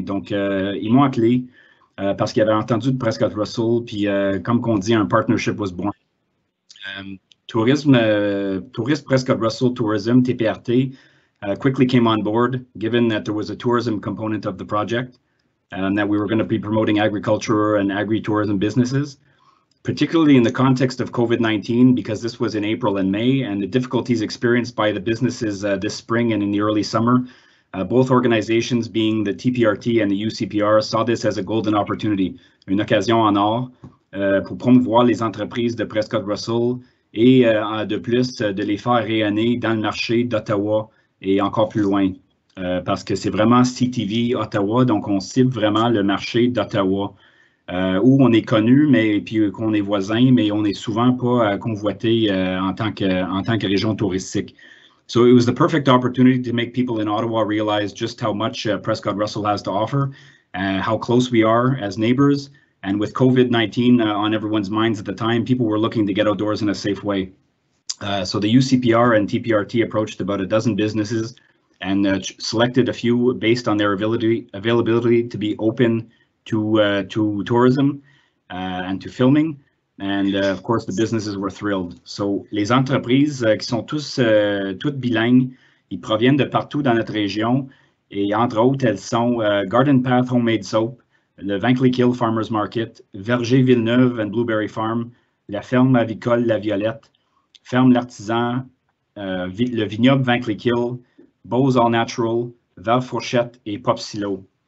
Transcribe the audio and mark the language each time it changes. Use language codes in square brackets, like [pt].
[fr] Donc, ils m'ont appelé parce qu'ils avaient entendu de Prescott Russell. Puis, comme qu'on dit, un [en] partnership was born. Tourisme Prescott Russell Tourism, TPRT, quickly came on board, given that there was a tourism component of the project, and that we were going to be promoting agriculture and agri-tourism businesses, particularly in the context of COVID-19, because this was in April and May, and the difficulties experienced by the businesses this spring and in the early summer, both organizations being the TPRT and the UCPR saw this as a golden opportunity, [fr] une occasion en or, pour promouvoir les entreprises de Prescott Russell et de plus de les faire rayonner dans le marché d'Ottawa et encore plus loin. Parce que c'est vraiment CTV Ottawa, donc on cible vraiment le marché d'Ottawa, où on est connu, mais puis qu'on est voisin, mais on n'est souvent pas convoité en tant que région touristique. [en] So it was the perfect opportunity to make people in Ottawa realize just how much Prescott Russell has to offer, how close we are as neighbors, and with COVID-19 on everyone's minds at the time, people were looking to get outdoors in a safe way. So the UCPR and TPRT approached about a dozen businesses and selected a few based on their availability to be open to tourism and to filming. And of course, the businesses were thrilled. [fr] So les entreprises qui sont toutes bilingues, ils proviennent de partout dans notre région. Et entre autres, elles sont Garden Path Homemade Soap, le Vanclick Hill Farmers Market, Verger Villeneuve and Blueberry Farm, la ferme avicole La Violette, Ferme l'Artisan, le vignoble Vanclick Hill, Bose All Natural, Val Fourchette et Pop Silo.